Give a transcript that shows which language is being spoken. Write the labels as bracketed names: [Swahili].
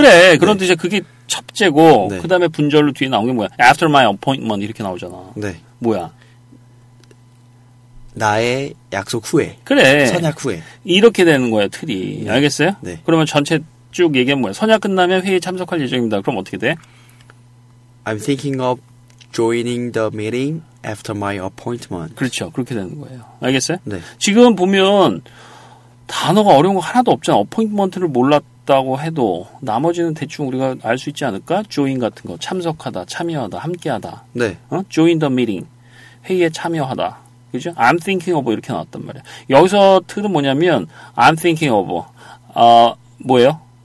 [Korean] 그래. 그런 네. 뜻이야. 그게 첫째고. 네. 그 다음에 분절로 뒤에 나온 게 뭐야? [English] After my appointment. [Korean] 이렇게 나오잖아. 네. 뭐야? 나의 약속 후에. 그래. 선약 후에. 이렇게 되는 거야, 틀이. 네. 알겠어요? 네. 그러면 전체 쭉 얘기하면 뭐야? 선약 끝나면 회의에 참석할 예정입니다. 그럼 어떻게 돼? [English] I'm thinking of joining the meeting after my appointment. [Korean] 그렇죠. 그렇게 되는 거예요. 알겠어요? 네. 지금 보면 단어가 어려운 거 하나도 없잖아. appointment를 몰랐다고 해도 나머지는 대충 우리가 알 수 있지 않을까? join 같은 거. 참석하다, 참여하다, 함께하다. 네. 어? [English] join the meeting. [Korean] 회의에 참여하다. 그죠? [English] I'm thinking of [Korean] 이렇게 나왔단 말이야. 여기서 틀은 뭐냐면 [English] I'm thinking of. [Korean] 뭐예요?